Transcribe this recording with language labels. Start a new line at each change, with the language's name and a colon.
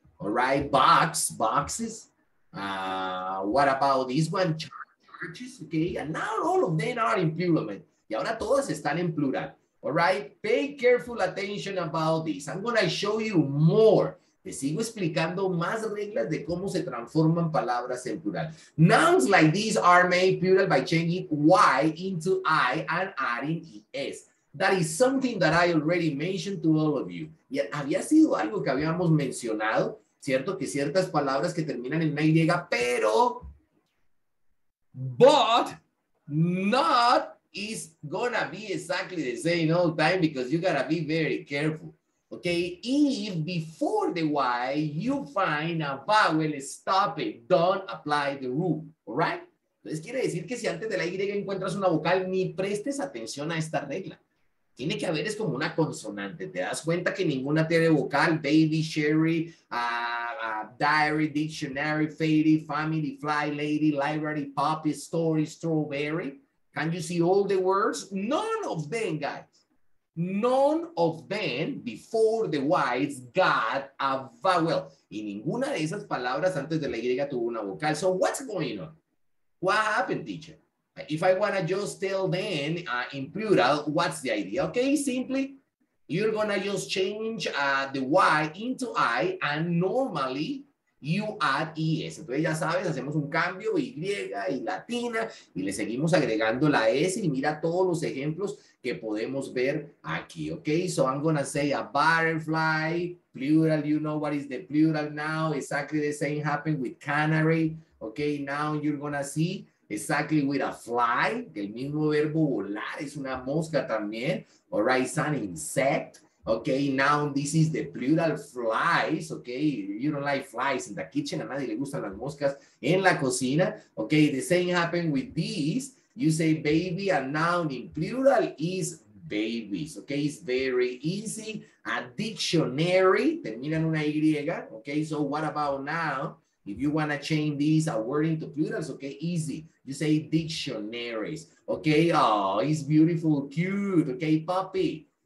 English: All right, boxes. What about this one? Churches, okay, and now all of them are in plural, man.
Spanish: Y ahora todas están en plural.
English: All right, pay careful attention about this. I'm going to show you more.
Spanish: Te sigo explicando más reglas de cómo se transforman palabras en plural.
English: Nouns like these are made plural by changing Y into I and adding ES. That is something that I already mentioned to all of you.
Spanish: Y había sido algo que habíamos mencionado. Cierto que ciertas palabras que terminan en una Y, pero,
English: but, not, is gonna be exactly the same all time because you gotta be very careful. Okay, if before the Y you find a vowel, stop it, don't apply the rule, all right?
Spanish: Entonces quiere decir que si antes de la Y encuentras una vocal, ni prestes atención a esta regla. Tiene que haber, es como una consonante. ¿Te das cuenta que ninguna tiene vocal?
English: Baby, Sherry, diary, dictionary, fady, family, fly, lady, library, poppy, story, strawberry. Can you see all the words? None of them, guys. None of them before the whites got a vowel.
Spanish: Y ninguna de esas palabras antes de la Y tuvo una vocal.
English: So what's going on? What happened, teacher? If I want to just tell them in plural, what's the idea? Okay, simply, you're going to just change the Y into I, and normally you add ES.
Spanish: Entonces ya sabes, hacemos un cambio, Y y latina, y le seguimos agregando la S, y mira todos los ejemplos que podemos ver aquí, okay?
English: So I'm going to say a butterfly, plural, you know what is the plural now, exactly the same happened with canary, okay? Now you're going to see Exactly, with a fly.
Spanish: El mismo verbo volar es una mosca también.
English: All right, it's an insect. Okay, now this is the plural, flies. Okay, you don't like flies in the kitchen.
Spanish: A nadie le gustan las moscas en la cocina.
English: Okay, the same happened with these. You say baby, a noun in plural is babies. Okay, it's very easy. A dictionary,
Spanish: termina en una Y.
English: Okay, so what about now? If you want to change these a word into plurals, okay, easy. You say dictionaries. Okay, oh, it's beautiful, cute. Okay, puppy.